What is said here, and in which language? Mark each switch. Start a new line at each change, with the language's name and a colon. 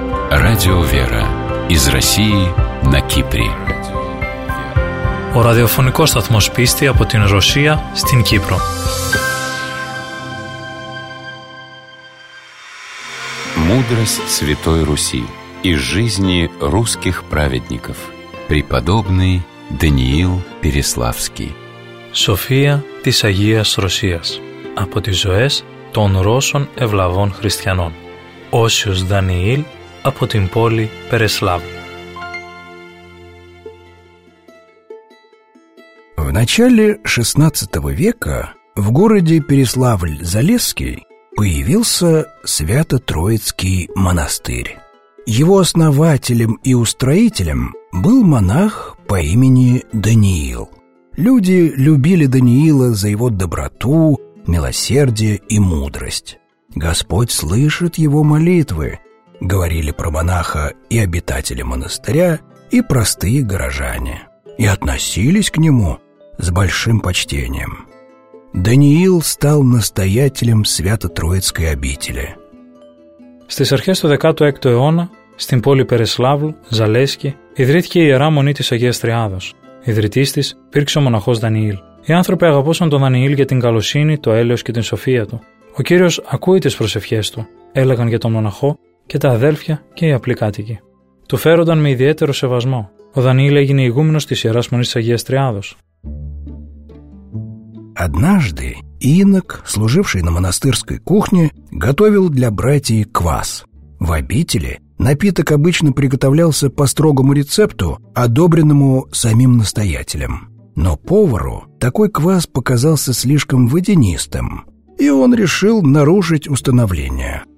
Russian: Радио Вера из России на Кипре.
Greek: Ο ραδιοφωνικός σταθμός πίστη από την Ρωσία στην Κύπρο.
Russian: Мудрость Святой Руси из жизни русских праведников. Преподобный Даниил Переславский.
Greek: София της Αγίας Ρωσίας. Από τις ζωές των Ρώσων ευλαβών χριστιανών. Όσιος Δανιήλ από την πόλη Переслав.
Russian: В начале 16 века в городе Переславль-Залесский появился Свято-Троицкий монастырь. Его основателем и устроителем был монах по имени Даниил. Люди любили Даниила за его доброту, милосердие и мудрость. «Господь слышит его молитвы», — говорили про монаха и обитатели монастыря, и простые горожане, и относились к нему с большим почтением. Даниил стал настоятелем Свято-Троицкой обители.
Greek: Στις αρχές του 16ου αιώνα, στην πόλη Переславλ, Ζαλέσκι, ιδρύθηκε η Ιερά Μονή της Αγίας Τριάδος. Ιδρυτής της υπήρξε ο μοναχός Δανιήλ. Οι άνθρωποι αγαπούσαν τον Δανιήλ για την καλοσύνη, το έλεος και την σοφία του. Ο Κύριος ακούει τις προσευχές του, έλεγαν για τον μοναχό και τα αδέλφια και οι απλοί κάτοικοι. Του φέρονταν με ιδιαίτερο σεβασμό. Ο Δανιήλ έγινε ηγούμενος της Ιεράς Μονής της Αγίας Τριάδος.
Russian: Однажды инок, служивший на монастырской кухне, готовил для братьев квас. В обители напиток обычно приготовлялся по строгому рецепту, одобренному самим настоятелем. Но повару такой квас показался слишком водянистым, и он решил нарушить установление.